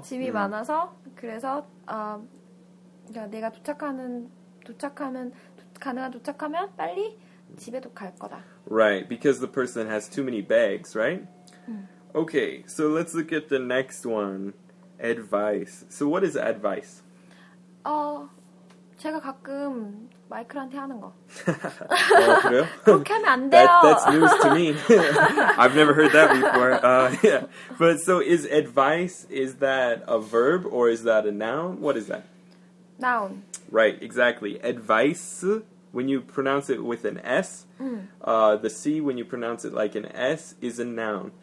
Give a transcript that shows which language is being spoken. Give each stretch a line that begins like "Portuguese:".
Korean: 짐이 많아서, 그래서 내가 가능한 도착하면 빨리 집에도 갈 거다.
English: Right, because the person has too many bags, right? Okay, so let's look at the next one. Advice. So what is advice?
Korean: 제가 가끔 마이클한테 하는 거. 그래요? 그렇게 하면 안 돼요.
English: That's news to me. I've never heard that before. But so is advice, is that a verb or is that a noun? What is that? Noun. Right, exactly. Advice, when you pronounce it with an S, the C when you pronounce it like an S is a noun.